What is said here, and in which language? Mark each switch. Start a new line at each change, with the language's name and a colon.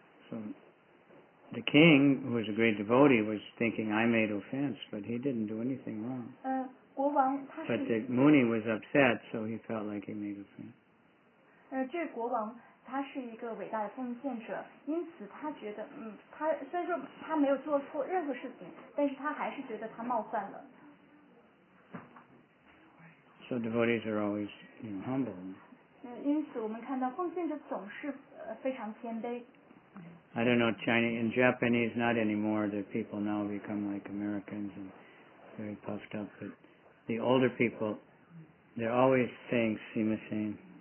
English: So the king, who was a great devotee, was thinking I made offense, but he didn't do anything wrong. But the Muni was upset, so he felt like he made a friend.
Chinese: 这个国王他是一个伟大的奉献者，因此他觉得他虽然说他没有做错任何事情，但是他还是觉得他冒犯了。
English: So devotees are always humble.
Chinese: 因此我们看到奉献者总是非常谦卑。
English: I don't know Chinese and Japanese not anymore. The people now become like Americans and very puffed up, but. The older people, they're always saying "Sima Sen."